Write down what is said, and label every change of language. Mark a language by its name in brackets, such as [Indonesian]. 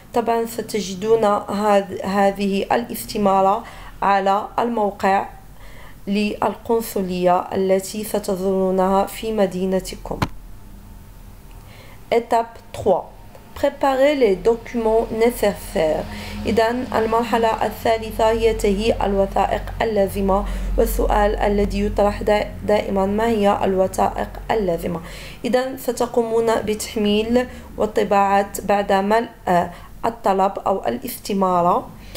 [Arabic] طبعا ستجدون هذه الاستمارة على الموقع للقنصلية التي ستزورونها في مدينتكم. [French] Étape 3. Préparer les documents nécessaires. [Arabic] إذا المرحلة الثالثة هي تهيئ الوثائق اللازمة، والسؤال الذي يطرح دائما ما هي الوثائق اللازمة؟ إذا ستقومون بتحميل وطباعة بعد ملء الطلب أو الاستمارة.